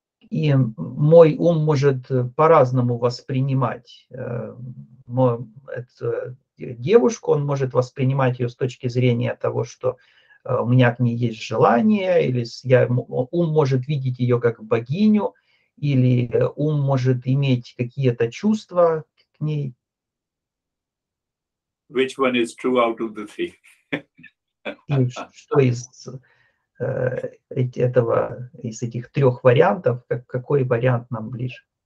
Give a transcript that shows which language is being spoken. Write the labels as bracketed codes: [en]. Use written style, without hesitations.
[ru] И мой ум может по-разному воспринимать эту девушку. Он может воспринимать ее с точки зрения того, что у меня к ней есть желание, или ум может видеть ее как богиню, или ум может иметь какие-то чувства к ней. [en] which one is true out of the three? [ru] Что из этого, из этих трех вариантов, какой вариант нам ближе?